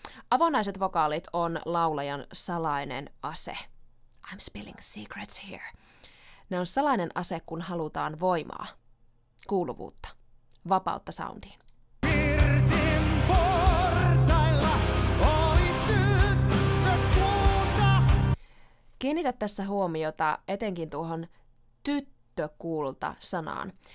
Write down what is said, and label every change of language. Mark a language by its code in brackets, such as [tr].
[fi] Avonaiset vokaalit on laulajan salainen ase. [en] I'm spilling secrets here. [fi] Ne on salainen ase, kun halutaan voimaa. Kuuluvuutta. Vapautta soundiin. Pirtin portailla oli tyttö kulta. Kiinnitä tässä huomiota etenkin tuohon tyttö kulta sanaan.